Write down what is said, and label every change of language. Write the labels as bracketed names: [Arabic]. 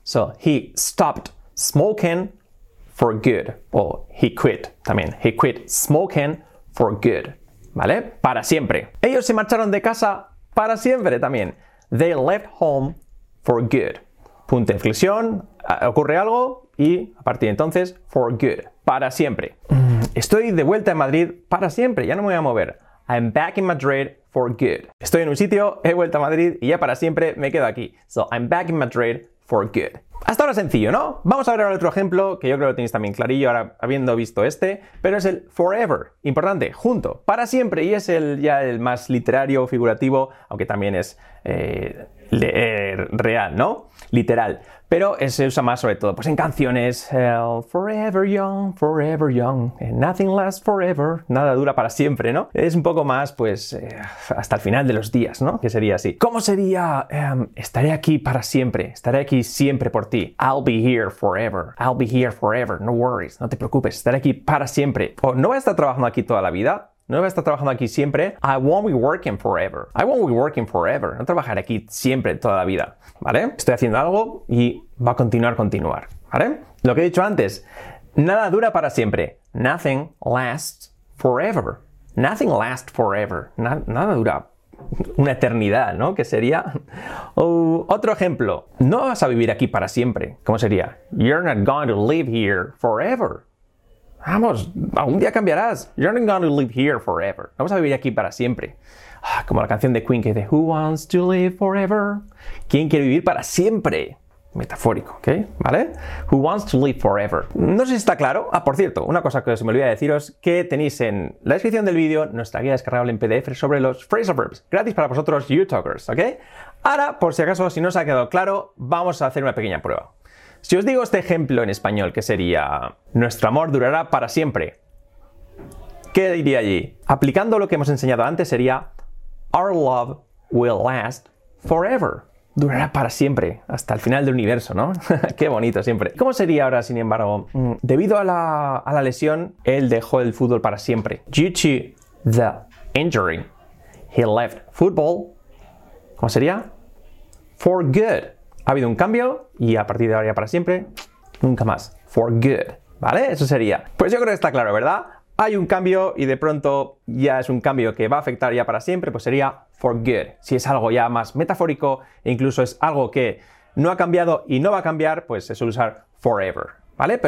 [English] So, he stopped smoking for good, o he quit también, he quit smoking for good, [Spanish] ¿vale? Para siempre. Ellos se marcharon de casa para siempre también. [English] They left home for good. [Spanish] Punto de inflexión, ocurre algo y a partir de entonces, for good, para siempre. Estoy de vuelta en Madrid para siempre, ya no me voy a mover. [English] I'm back in Madrid for good. [Spanish] Estoy en un sitio, he vuelto a Madrid y ya para siempre me quedo aquí. [English] So, I'm back in Madrid for good. [Spanish] Hasta ahora sencillo, ¿no? Vamos a ver otro ejemplo que yo creo que lo tenéis también clarillo ahora habiendo visto este, pero es el forever, importante, junto, para siempre, y es el ya el más literario, figurativo, aunque también es real, ¿no? Literal, pero se usa más sobre todo pues en canciones, [English] forever young, and nothing lasts forever, [Spanish] nada dura para siempre, ¿no? Es un poco más pues hasta el final de los días, ¿no? Que sería así. ¿Cómo sería estaré aquí para siempre, estaré aquí siempre por ti? [English] I'll be here forever, no worries, [Spanish] no te preocupes, estaré aquí para siempre. O no voy a estar trabajando aquí toda la vida. No voy a estar trabajando aquí siempre. [English] I won't be working forever. I won't be working forever. [Spanish] No trabajaré aquí siempre, toda la vida. ¿Vale? Estoy haciendo algo y va a continuar. ¿Vale? Lo que he dicho antes. Nada dura para siempre. [English] Nothing lasts forever. Nothing lasts forever. [Spanish] Nada dura una eternidad, ¿no? ¿Qué sería? Otro ejemplo. No vas a vivir aquí para siempre. ¿Cómo sería? [English] You're not going to live here forever. [Spanish] Vamos, algún día cambiarás. [English] You're not going to live here forever. [Spanish] Vamos a vivir aquí para siempre. Como la canción de Queen que dice, [English] Who wants to live forever? [Spanish] ¿Quién quiere vivir para siempre? metafórico, ¿ok? ¿Vale? [English] Who wants to live forever. [Spanish] No sé si está claro. Ah, por cierto, una cosa que se me olvidó deciros, que tenéis en la descripción del vídeo nuestra guía descargable en PDF sobre los phrasal verbs, gratis para vosotros, you talkers, ¿ok? Ahora, por si acaso, si no os ha quedado claro, vamos a hacer una pequeña prueba. Si os digo este ejemplo en español, que sería nuestro amor durará para siempre, ¿qué diría allí? Aplicando lo que hemos enseñado antes, sería [English] our love will last forever. [Spanish] Durará para siempre, hasta el final del universo, ¿no? ¡Qué bonito siempre! ¿Cómo sería ahora, sin embargo? Debido a la lesión, él dejó el fútbol para siempre. [English] Due to the injury, he left football. [Spanish] ¿Cómo sería? For good. Ha habido un cambio y a partir de ahora ya para siempre, nunca más. For good. ¿Vale? Eso sería. Pues yo creo que está claro, ¿verdad? Hay un cambio y de pronto ya es un cambio que va a afectar ya para siempre, pues sería for good. Si es algo ya más metafórico e incluso es algo que no ha cambiado y no va a cambiar, pues se suele usar forever, ¿vale?